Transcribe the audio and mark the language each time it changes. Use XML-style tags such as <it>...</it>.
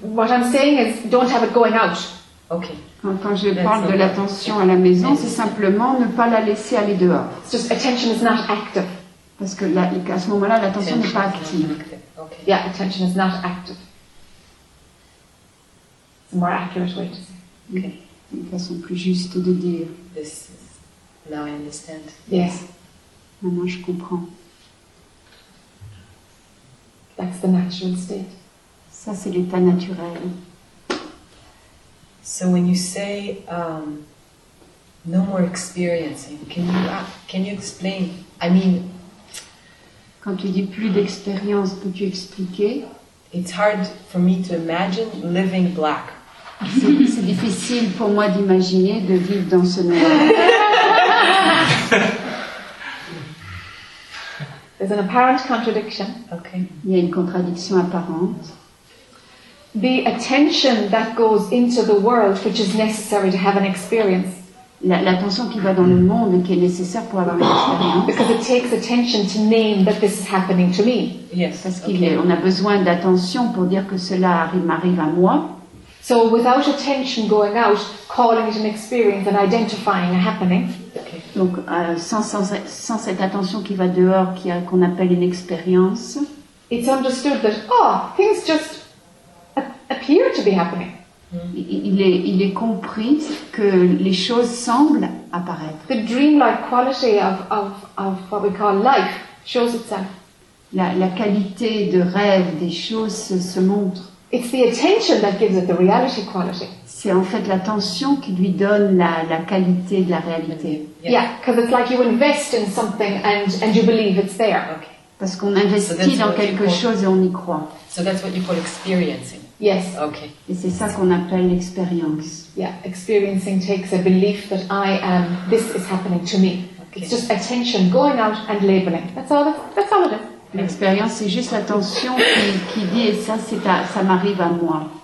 <en>what I'm saying is don't have it going out. Okay.</en> <fr>Quand je parle that's de l'attention à la maison, yes. c'est simplement ne pas la laisser aller dehors.</fr> <en>It's just attention is not active.</en> <fr>Parce que là, à ce moment-là, l'attention n'est pas active.</fr> <en>Okay. Yeah, attention is not active. It's a more accurate way to say. Okay.</en> <fr>Une façon plus juste de dire.</fr> <en>This is, now I understand. Yes.</en> <fr>Maintenant je comprends.</fr> <en>That's the natural state.</en> <fr>Ça c'est l'état naturel.</fr> <en>So when you say no more experiencing, can you explain? I mean,</en> <fr>quand tu dis plus d'expérience, peux-tu expliquer?</fr> <en>It's hard for me to imagine living black.</en> <fr>C'est difficile pour moi d'imaginer de vivre dans ce noir.</fr> <en>There's an apparent contradiction. Okay.</en> <fr>Il y a une contradiction apparente.</fr> <en>The attention that goes into the world, which is necessary to have an experience.</en> <fr>L'attention qui va dans le monde et qui est nécessaire pour avoir une expérience.</fr> <en>Because it takes attention to name that this is happening to me. Yes.</en> <fr>Parce qu'il okay. est, on a besoin d'attention pour dire que cela m'arrive à moi.</fr> <en>So without attention going out, calling it an experience and identifying a happening. Okay.</en> <fr>Donc sans cette attention qui va dehors, qu'on appelle une expérience.</fr> <en>It's understood that things just appear to be happening.</en> <fr>Il est compris que les choses semblent apparaître.</fr> <en>The dreamlike quality of what we call life shows itself.</en> <fr>La qualité de rêve des choses se montre.</fr> <en>It's the attention that gives it the reality quality.</en> <fr>C'est en fait l'attention qui lui donne la qualité de la réalité.</fr> <en>Yeah, because it's like you invest in something and you believe it's there. Okay.</en> <fr>Parce qu'on investit dans quelque chose et on y croit.</fr> <en>So that's what you call experiencing. Yes. Okay.</en> <fr>Et c'est ça qu'on appelle l'expérience.</fr> <en>Yeah, experiencing takes a belief that I am. This is happening to me. Okay. It's just attention going out and labeling. That's all it is.</en> <fr>L'expérience, c'est juste l'attention qui dit et ça, c'est ça m'arrive à moi.</fr>